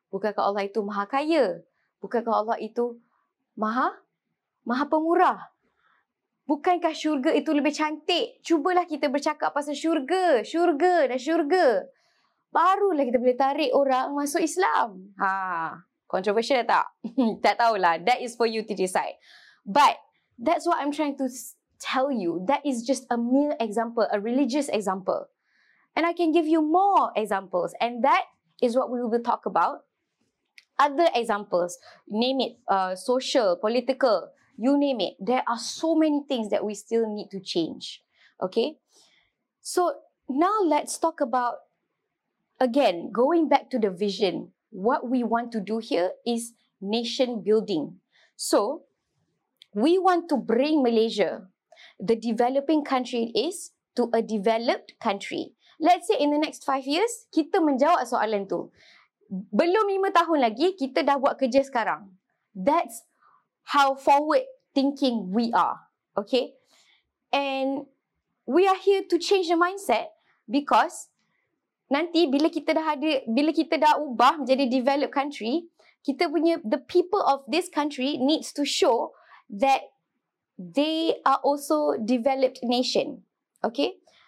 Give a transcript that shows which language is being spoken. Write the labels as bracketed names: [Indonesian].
[Malay] Bukankah Allah itu maha kaya? Bukankah Allah itu maha pemurah? Bukankah syurga itu lebih cantik? Cubalah kita bercakap pasal syurga, syurga dan syurga. Barulah kita boleh tarik orang masuk Islam. [English] Ha, controversial [Malay] tak? Tak tahulah. [English] That is for you to decide. But that's what I'm trying to tell you. That is just a mere example, a religious example. And I can give you more examples. And that is what we will talk about. Other examples, name it, social, political, you name it. There are so many things that we still need to change. Okay? So, now let's talk about, again, going back to the vision. What we want to do here is nation building. So, we want to bring Malaysia, the developing country it is, to a developed country. Let's say in the next 5 years, [Malay] kita menjawab soalan tu. Belum 5 tahun lagi, kita dah buat kerja sekarang. [English] That's how forward thinking we are. Okay? And we are here to change the mindset because [Malay] nanti bila kita dah ada, bila kita dah ubah menjadi [English] developed country, [Malay] kita punya, [English] the people of this country needs to show that they are also developed nation. Okay?